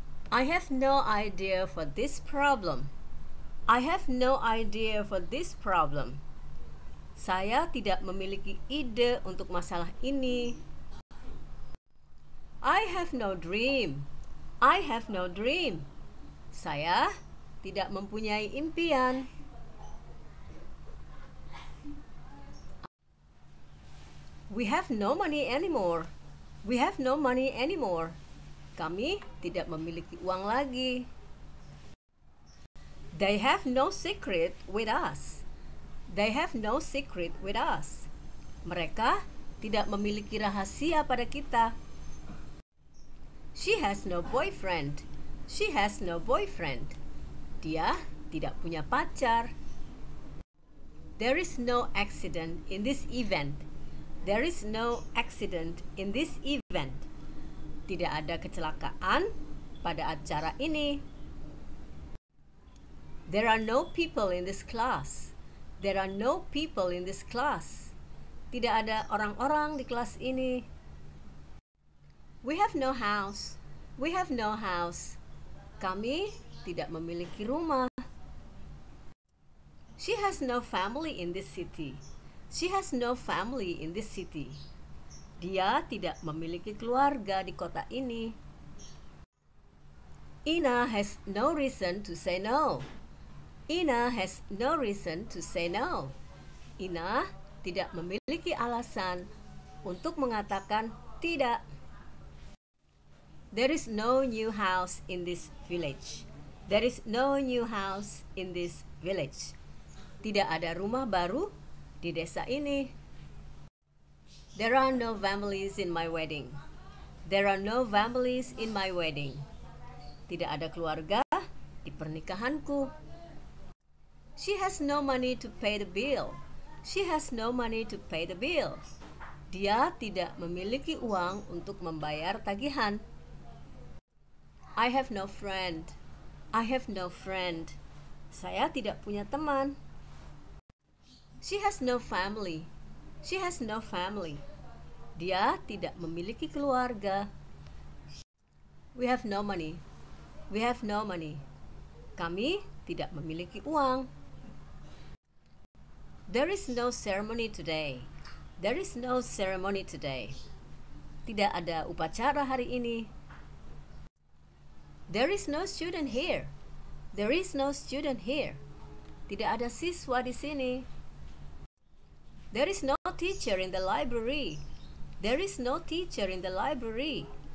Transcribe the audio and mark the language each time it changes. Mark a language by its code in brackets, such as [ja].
[en] I have no idea for this problem. I have no idea for this problem. [id] Saya tidak memiliki ide untuk masalah ini. [en] I have no dream. I have no dream. [id] Saya tidak mempunyai impian. [en] We have no money anymore. We have no money anymore. [id] Kami tidak memiliki uang lagi. [en] They have no secret with us. They have no secret with us. [id] Mereka tidak memiliki rahasia pada kita. [en] She has no boyfriend. She has no boyfriend. [id] Dia tidak punya pacar. [en] There is no accident in this event. There is no accident in this event. [id] Tidak ada kecelakaan pada acara ini. [en] There are no people in this class. There are no people in this class. [id] Tidak ada orang-orang di kelas ini. [en] We have no house. We have no house. [id] Kami tidak memiliki rumah. [en] She has no family in this city. She has no family in this city. [id] Dia tidak memiliki keluarga di kota ini. [en] Ina has no reason to say no. Ina has no reason to say no. [id] Ina tidak memiliki alasan untuk mengatakan tidak. [en] There is no new house in this village. There is no new house in this village. [id] Tidak ada rumah baru di desa ini. [en] There are no families in my wedding. There are no families in my wedding. [id] Tidak ada keluarga di pernikahanku. [en] She has no money to pay the bill. She has no money to pay the bill. [id] Dia tidak memiliki uang untuk membayar tagihan. [en] I have no friend. I have no friend. [id] Saya tidak punya teman. [en] She has no family. She has no family. [id] Dia tidak memiliki keluarga. [en] We have no money. We have no money. [id] Kami tidak memiliki uang. [en] There is no ceremony today. There is no ceremony today. [id] Tidak ada upacara hari ini. [en] There is no student here. There is no student here. [id] Tidak ada siswa di sini. [en] There is no teacher in the library. There is no teacher in the library.